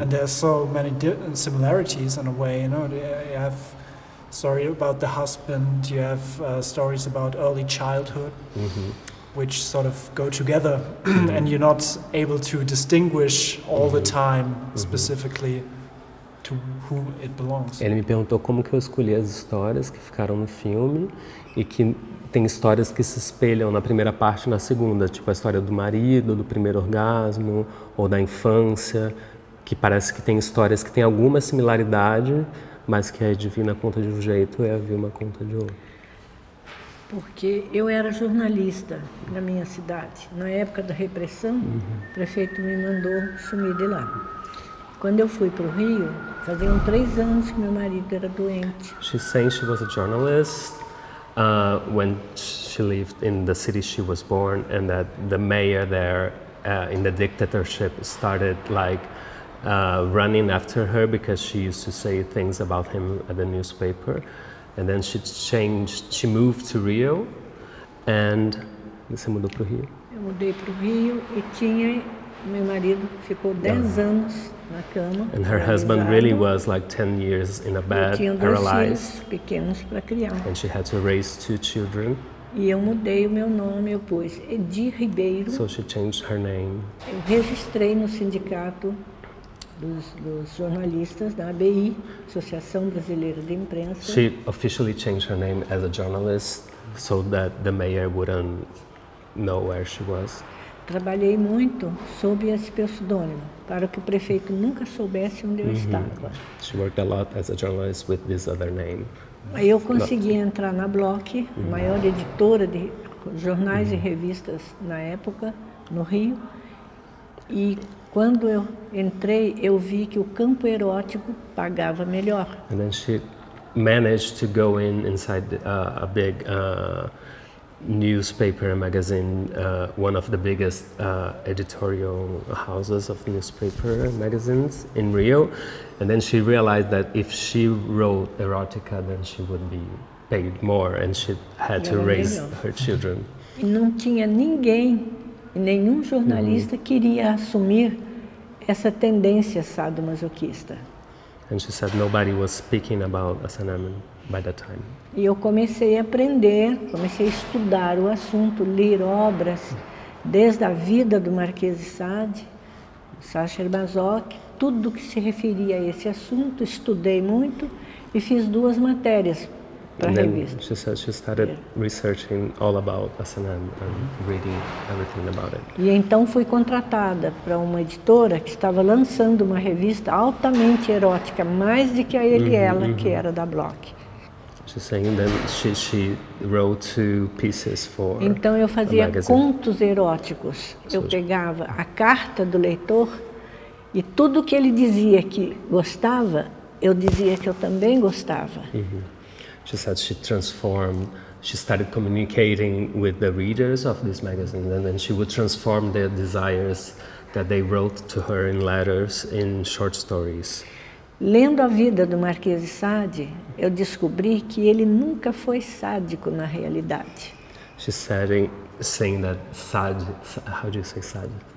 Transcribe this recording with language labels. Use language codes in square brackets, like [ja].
[en] And there's so many similarities in a way, you know. You have story about the husband, you have stories about early childhood, which sort of go together, and you're not able to distinguish all the time specifically to who it belongs. [pt] Ele me perguntou como que eu escolhi as histórias que ficaram no filme e que tem histórias que se espelham na primeira parte e na segunda, tipo a história do marido, do primeiro orgasmo ou da infância, que parece que tem histórias que têm alguma similaridade, mas que a Edivina conta de um jeito e a Wilma conta de outro. Porque eu era jornalista na minha cidade. Na época da repressão, o prefeito me mandou sumir de lá. Quando eu fui para o Rio, faziam 3 anos que meu marido era doente. [en] She said she was a journalist when she lived in the city she was born, and that the mayor there in the dictatorship started like running after her because she used to say things about him at the newspaper. And then she changed, she moved to Rio, and [pt] você mudou para o Rio? Eu mudei para o Rio e tinha, meu marido ficou 10 anos na cama. [en] And her husband really was like 10 years in a bed, paralyzed. [pt] Tinha 2 filhos pequenos para criar. [en] And she had to raise 2 children. [pt] E eu mudei o meu nome, eu pus Edi Ribeiro. [en] So she changed her name. [pt] Eu registrei no sindicato dos jornalistas da ABI, Associação Brasileira de Imprensa. [en] She officially changed her name as a journalist so that the mayor wouldn't know where she was. [pt] Trabalhei muito sob esse pseudônimo para que o prefeito nunca soubesse onde eu estava. [en] She worked a lot as a journalist with this other name. [pt] Aí eu consegui entrar na Block, maior editora de jornais e revistas na época no Rio. E quando eu entrei, eu vi que o campo erótico pagava melhor. [en] And then she managed to go in inside a big newspaper magazine, one of the biggest editorial houses of newspaper magazines in Rio. And then she realized that if she wrote erotica, then she would be paid more, and she had to raise her children. [pt] E não tinha ninguém, nenhum jornalista queria assumir essa tendência sadomasoquista. [en] And she said nobody was speaking about S&M by that time. [pt] E eu comecei a aprender, comecei a estudar o assunto, ler obras, desde a vida do Marquês de Sade, Sacha Masoch, tudo que se referia a esse assunto, estudei muito e fiz 2 matérias para a revista. [en] She said she started researching all about S&M and reading everything about it. [pt] E então fui contratada para uma editora que estava lançando uma revista altamente erótica, mais do que a ele, ela, que era da Block. [en] She's saying that she wrote two pieces for. [pt] Então eu fazia contos eróticos. Eu pegava a carta do leitor e tudo que ele dizia que gostava, eu dizia que eu também gostava. [en] She said she transformed. She started communicating with the readers of this magazine, and then she would transform their desires that they wrote to her in letters in short stories. [pt] Lendo a vida do Marquês de Sade, eu descobri que ele nunca foi sádico na realidade. [en] She said, saying that Sade, how do you say Sade?